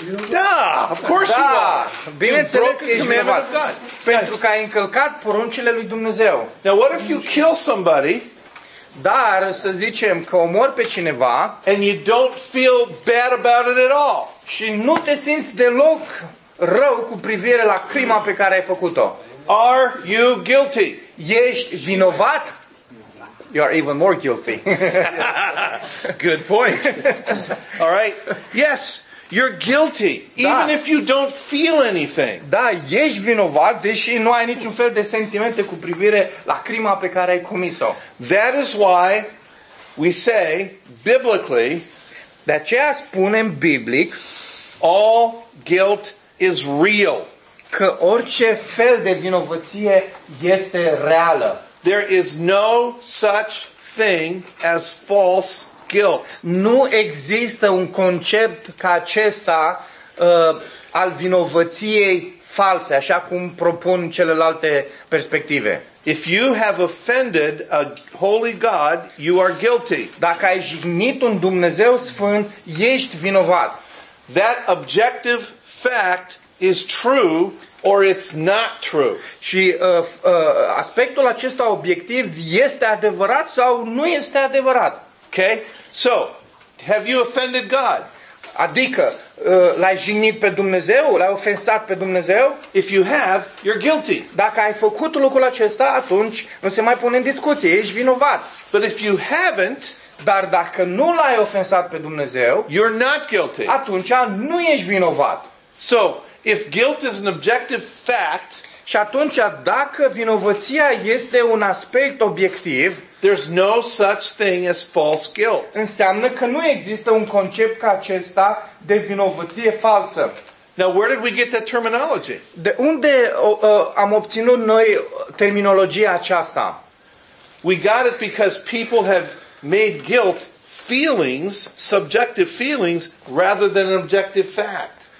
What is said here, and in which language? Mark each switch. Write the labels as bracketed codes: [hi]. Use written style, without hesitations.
[en] Da, of course [ro] da, [en] you are. [ro] Bineînțeles că ești vinovat. Pentru că ai încălcat poruncile lui Dumnezeu. [en] Now what if you kill somebody? [ro] Dar să zicem că omori pe cineva [en] and you don't feel bad about it at all. [ro] Și nu te simți deloc rău cu privire la crima pe care ai făcut-o. [en] Are you guilty? [ro] Ești vinovat? [en] You are even more guilty. Good point. All right. Yes, you're guilty, even [ro] da. [en] If you don't feel anything. [ro] Da, ești vinovat, deși nu ai niciun fel de sentimente cu privire la crima pe care ai comis-o. [en] That is why we say, biblically, [ro] de aceea spunem biblic, [en] all guilt is real. [ro] Că orice fel de vinovăție este reală. [en] There is no such thing as false guilt. [ro] Nu există un concept ca acesta al vinovăției false, așa cum propun celelalte perspective. [en] If you have offended a holy God, you are guilty. [ro] Dacă ai jignit un Dumnezeu sfânt, ești vinovat. [en] That objective fact is true. Or it's not true. [ro] Și aspectul acesta obiectiv este adevărat sau nu este adevărat. [en] Okay? So, have you offended God? [ro] Adică, l-ai jignit pe Dumnezeu? L-ai ofensat pe Dumnezeu? [en] If you have, you're guilty. [ro] Dacă ai făcut lucrul acesta, atunci nu se mai pune în discuție, ești vinovat. [en] But if you haven't, [ro] dar dacă nu l-ai ofensat pe Dumnezeu, [en] you're not guilty. [ro] Atunci nu ești vinovat. [en] So, if guilt is an objective fact, [ro] și atunci dacă vinovăția este un aspect obiectiv, [en] there's no such thing as false guilt. [ro] Înseamnă că nu există un concept ca acesta de vinovăție falsă. [en] Now, where did we get that terminology? [ro] De unde am obținut noi terminologia aceasta? [en] We got it because people have made guilt feelings, subjective feelings, rather than an objective fact.